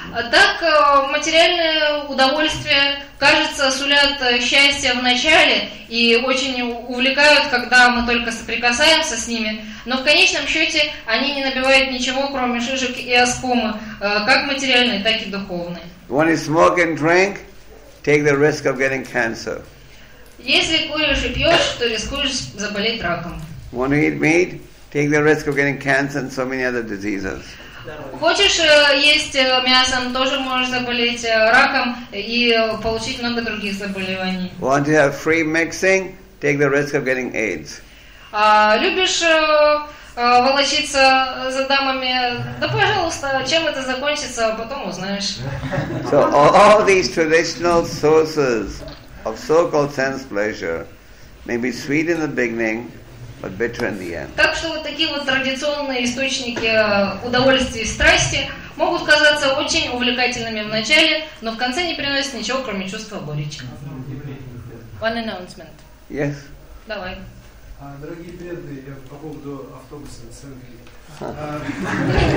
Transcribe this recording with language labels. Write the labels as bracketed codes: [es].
[ru] Так, материальное удовольствие, кажется, сулят счастье в начале и очень увлекают, когда мы только соприкасаемся с ними, но в конечном счете они не набивают ничего, кроме шишек и оскомы, как материальной, так и духовной. [en] When you smoke and drink, take the risk of getting cancer. [ru] Если куришь и пьешь, то рискуешь заболеть раком. [en] When you eat meat, take the risk of getting cancer and so many other diseases. [ru] Хочешь есть мясом, тоже можешь заболеть раком и получить много других заболеваний. [en] Want to have free mixing? Take the risk of getting AIDS. [ru] Любишь волочиться за дамами? Да пожалуйста, чем это закончится, потом узнаешь. [en] So all these traditional sources of so-called sense pleasure may be sweet in the beginning, but bitter in the end. [ru] Так что вот такие вот традиционные источники удовольствия и страсти могут казаться очень увлекательными в начале, но в конце не приносят ничего, кроме чувства горечи. [en] One announcement. Yes. [ru] Давай. Дорогие преды, я по поводу автобуса с Англии.